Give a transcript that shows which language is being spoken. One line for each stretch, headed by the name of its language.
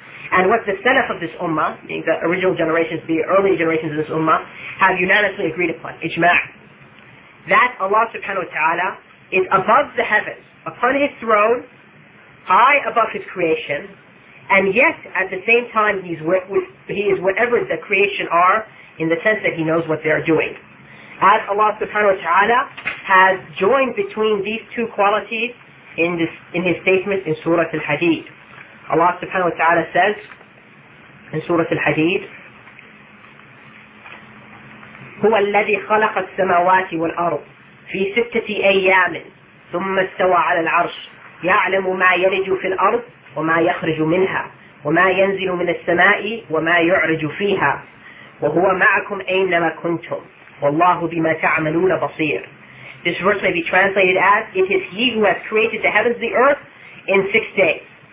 English: And what the Salaf of this Ummah, meaning the original generations, the early generations of this Ummah, have unanimously agreed upon, ijma', that Allah subhanahu wa ta'ala is above the heavens, upon His throne, high above His creation, and yet at the same time He is whatever the creation are, in the sense that He knows what they are doing. As Allah subhanahu wa ta'ala has joined between these two qualities in His statement in Surah Al-Hadid. Allah subhanahu wa ta'ala says in Surah Al-Hadid,
Arabic: هُوَ الَّذِي خَلَقَ السَّمَوَاتِ وَالْأَرْضِ فِي سِتَّةِ أَيَّامٍ ثُمَّ اسْتَوَى عَلَى الْعَرْشِ يَعْلَمُ مَا يَلِجُ فِي الْأَرْضِ وَمَا يَخْرِجُ مِنْهَا وَمَا يَنْزِلُ مِنَ السَّمَاءِ وَمَا يُعْرِجُ فِيهَا وَهُوَ مَعَكُمْ أَيْنَمَا كُنْتُمْ وَاللَّهُ بِمَا تَعْمَلُونَ بَصِيرٌ.
English: This verse may be translated as, it is He who has created the heavens and the earth in 6 days.